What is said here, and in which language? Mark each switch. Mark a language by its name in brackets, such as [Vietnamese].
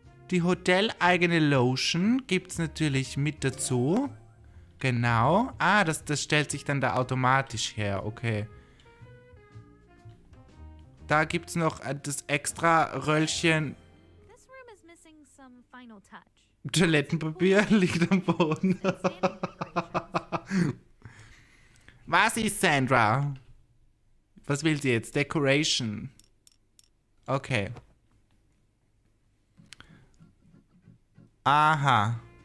[German] Die hoteleigene Lotion gibt's natürlich mit dazu. Genau. Ah, das stellt sich dann da automatisch her. Okay. Da gibt's noch das extra Röllchen. [English] This room is missing some final touch. [German] Toilettenpapier liegt am Boden. Was ist Sandra? Was will sie jetzt? Decoration. Okay. Aha.